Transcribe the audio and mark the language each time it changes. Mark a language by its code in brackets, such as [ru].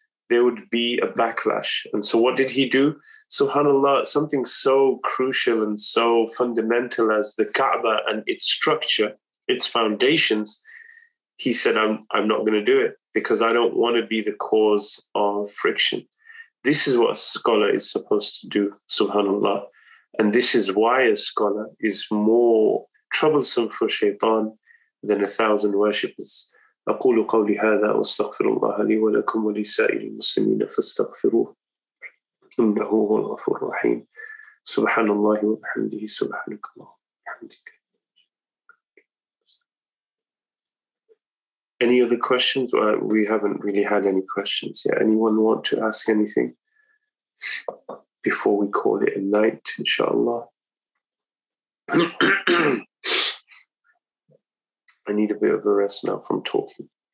[en] There would be a backlash. And so what did he do? SubhanAllah, something so crucial and so fundamental as the Kaaba and its structure, its foundations, he said, I'm not going to do it because I don't want to be the cause of friction. This is what a scholar is supposed to do, SubhanAllah. And this is why a scholar is more troublesome for shaitan than 1,000 worshippers. [ar] أقول قولي هذا واستغفر الله لي ولكم ولسائر المسلمين فاستغفروه إنه هو الغفور الرحيم سبحان الله وبحمده سبحانك اللهم وبحمدك. [en] Any other questions? We haven't really had any questions yet. Anyone want to ask anything before we call it a night, inshallah? I need a bit of a rest now from talking.